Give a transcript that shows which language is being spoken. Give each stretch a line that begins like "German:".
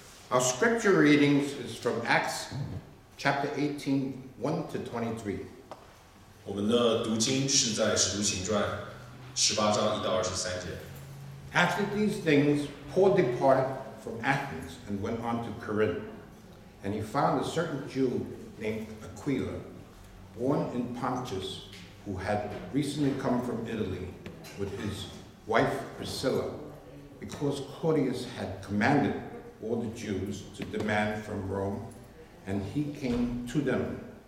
English: Our scripture readings is from Acts chapter 18, 1 to 23.
Chinese: 我们的读经是在《使徒行传》18章1到23节。
English: After these things, Paul departed from Athens and went on to Corinth. And he found a certain Jew named Aquila, born in Pontus, who had recently come from Italy with his wife Priscilla, because Claudius had commanded all the Jews to demand from Rome, and he came to them.